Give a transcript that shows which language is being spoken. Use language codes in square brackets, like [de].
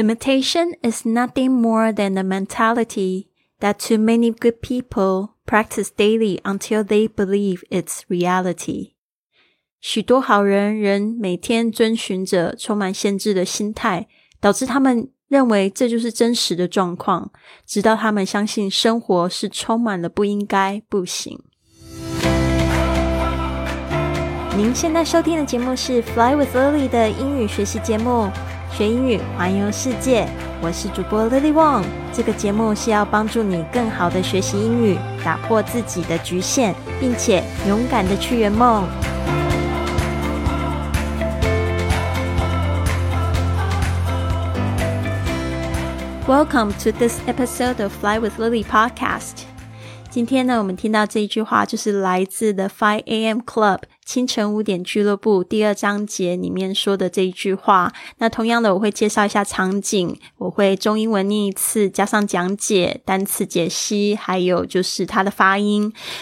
[en] Imitation is nothing more than a mentality that too many good people practice daily until they believe it's reality. [zh] 许多好人仍每天遵循着充满限制的心态，导致他们认为这就是真实的状况，直到他们相信生活是充满了不应该、不行。您现在收听的节目是 Fly with Lily 的英语学习节目，学英语环游世界，我是主播 Lily Wong。这个节目是要帮助你更好的学习英语，打破自己的局限，并且勇敢的去圆梦。 [en] Welcome to this episode of Fly with Lily podcast. [zh] 今天呢，我们听到这一句话就是来自 The 5AM Club 清晨五点俱乐部第二章节里面说的这一句话。那同样的，我会介绍一下场景，我会中英文念一次，加上讲解、单词解析，还有就是它的发音。